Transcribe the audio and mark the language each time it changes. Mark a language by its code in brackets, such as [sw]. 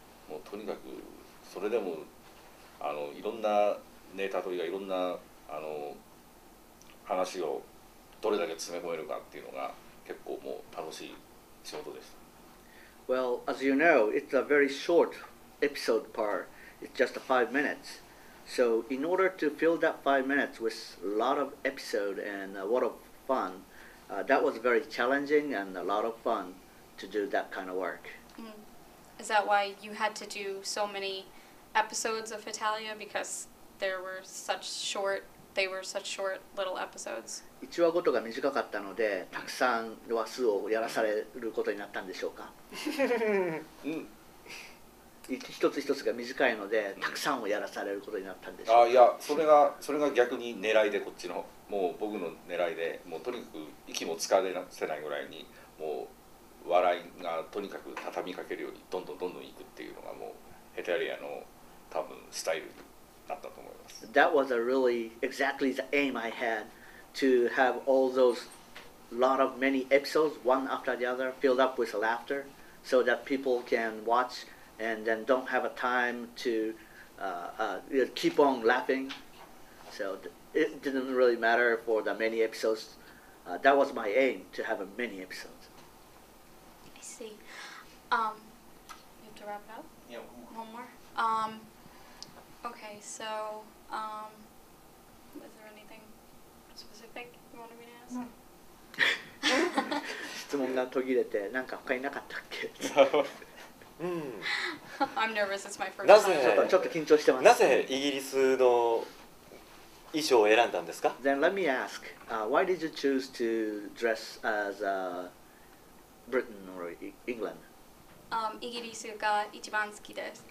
[ja] もうとにかくそれでもあのいろんなネタというかいろんなあの話をどれだけ詰め込めるかっていうのが結構もう楽しい仕事です。 [en] Well, as you know, it's a very short episode part. It's just 5 minutes. So in order to fill that 5 minutes with a lot of episode and a lot of fun, that was very challenging and a lot of fun to do that kind of work. Is that why you had to do so many episodes of Italia? Because there were such short, they were such short little episodes. [ja] 1話ごとが短かったのでたくさん話数をやらされることになったんでしょうか。一つ一つが短いのでたくさんをやらされることになったんでしょうか。あ、いや、それが逆に狙いで、こっちのもう僕の狙いで、もうとにかく息もつかせないぐらいにもう笑いがとにかく畳みかけるようにどんどんどんどん行くっていうのがもうヘタリアの多分スタイルになったと思います。 [en] That was a really exactly the aim I had to have all those lot of many episodes one after the other filled up with laughter so that people can watchand then don't have a time to keep on laughing. So it didn't really matter for the many episodes. That was my aim, to have many episodes. I see. You have to wrap it up? Yeah, one more. Okay, so is there anything specific you wanted me to ask? No. [ja] 質問が途切れて、なんか他になかったっけ？ [en] うん、I'm nervous. It's my first time. [ja] ちょっと緊張してます。なぜイギリスの衣装を選んだんですか？ [en] Then let me ask, why did you choose to dress as a Britain or England? [ja] イギリスが一番好きです。